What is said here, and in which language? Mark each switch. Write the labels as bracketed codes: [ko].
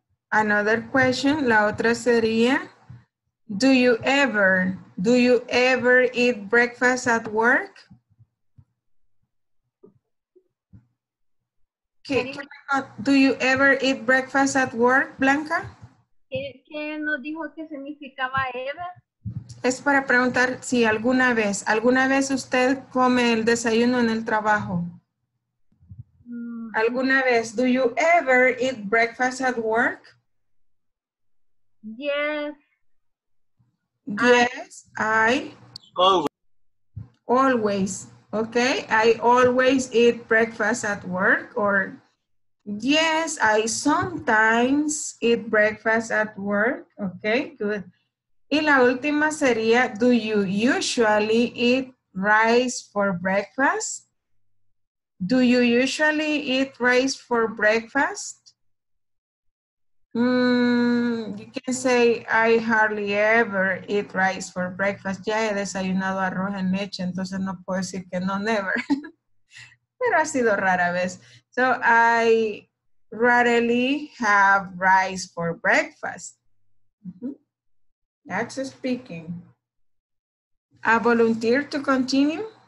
[en] Another question, [es] la otra sería, [en] do you ever eat breakfast at work? Do you ever eat breakfast at work, Blanca? [es] ¿Qué nos dijo que significaba ever? Es para preguntar si alguna vez usted come el desayuno en el trabajo. ¿Alguna vez? [en] Do you ever eat breakfast at work? Yes, I. Always, okay. I always eat breakfast at work. Or yes, I sometimes eat breakfast at work. Okay, good. [es] Y la última sería, [en] do you usually eat rice for breakfast? Do you usually eat rice for breakfast? You can say, I hardly ever eat rice for breakfast. [es] Ya he desayunado arroz en leche, entonces no puedo decir que no, never. Pero ha sido rara vez. [en] So, I rarely have rice for breakfast. That's speaking. A volunteer to continue?